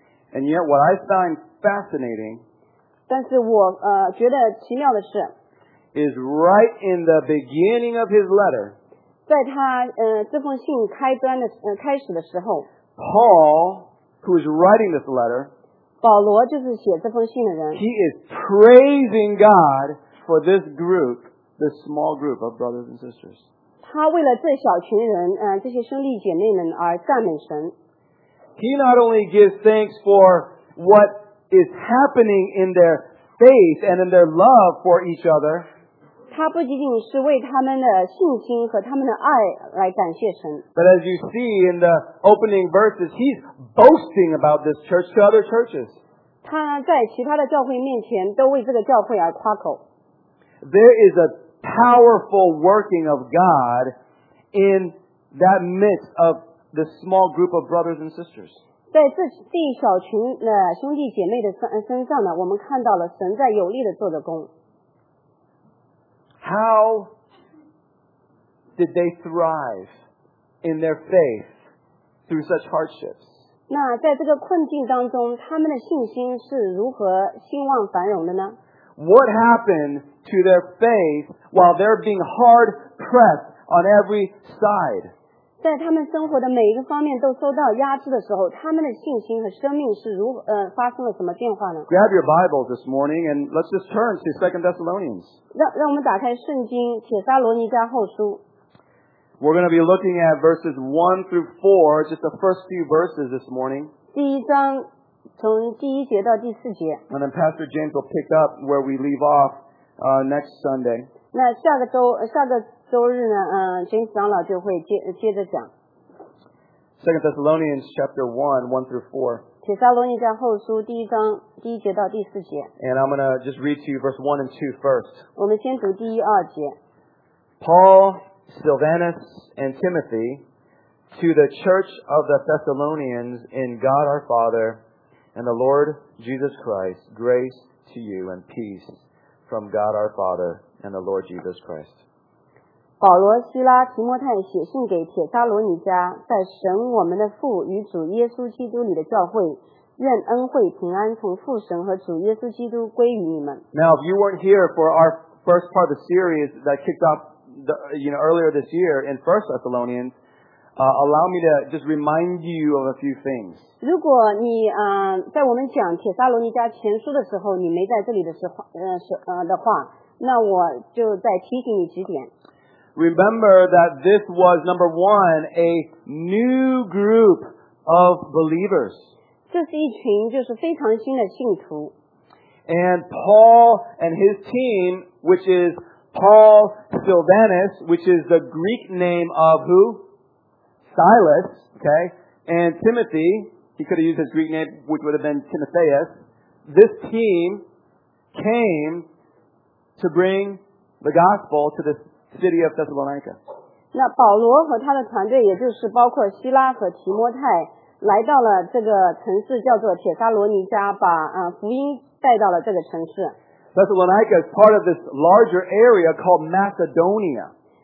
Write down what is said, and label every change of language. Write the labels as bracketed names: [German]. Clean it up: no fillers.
[English] And yet, what I find fascinating, [Chinese] 但是我觉得奇妙的是 [English] is right in the beginning of his letter. [Chinese] 在他这封信开端的开始的时候 [English] ，Paul, who is writing this letter, [Chinese] 保罗就是写这封信的人 [English] ，He is praising God for this group, this small group of brothers and sisters. [Chinese] 他为了这小群人这些兄弟姐妹们而赞美神。 [English] He not only gives thanks for what is happening in their faith and in their love for each other. [Chinese] 他不仅仅是为他们的信心和他们的爱来感谢神。 [English] But as you see in the opening verses, he's boasting about this church to other churches. [Chinese] 他在其他的教会面前都为这个教会而夸口。 [English] There is a powerful working of God in that midst of the small group of brothers and sisters. [Chinese] 在这这一小群的兄弟姐妹的身上呢，我们看到了神在有力的做着工。 [English] How did they thrive in their faith through such hardships? [Chinese] 那在这个困境当中，他们的信心是如何兴旺繁荣的呢？ [English] What happened to their faith while they're being hard pressed on every side? [Chinese] 在他们生活的每一个方面都受到压制的时候，他们的信心和生命是如何发生了什么变化呢？ [English] Grab your Bible this morning and let's just turn to 2 Thessalonians. [Chinese] 让我们打开圣经，帖撒罗尼迦后书。 [English] We're going to be looking at verses 1 through 4, just the first few verses this morning. [Chinese] 第一章从第一节到第四节。 [English] And then Pastor James will pick up where we leave off next Sunday. [Chinese] 那下个周日呢James 长老就会接着讲。 [English] 2 Thessalonians chapter 1, 1 through 4. [Chinese] 帖撒罗尼迦后书第一章第一节到第四节。 [English] And I'm going to just read to you verse 1 and 2 first. [Chinese] 我们先读第一二节。 [English] Paul, Silvanus, and Timothy to the church of the Thessalonians in God our Father,And the Lord Jesus Christ, grace to you and peace from God our Father and the Lord Jesus Christ. [Chinese] 保罗、希拉、提摩太写信给帖撒罗尼迦，在神我们的父与主耶稣基督里的教会，愿恩惠平安从父神和主耶稣基督归于你们。 [English] Now, if you weren't here for our first part of the series that kicked off the, you know, earlier this year in 1 Thessalonians,allow me to just remind you of a few things. [Chinese] 如果你在我们讲帖撒罗尼迦前书的时候你没在这里的时候的话，那我就再提醒你几点。 [English] Remember that this was number one, a new group of believers. [Chinese] 这是一群就是非常新的信徒。 [English] And Paul and his team, which is Paul Silvanus, which is the Greek name of who? Silas, okay, and Timothy, he could have used his Greek name, which would have been Timotheus. This team came to bring the gospel to the city of Thessalonica. [Chinese] 那保罗和他的团队，也就是包括希拉和提摩太，来到了这个城市叫做帖撒罗尼迦，把福音带到了这个城市。 [English] Thessalonica is part of this larger area called Macedonia.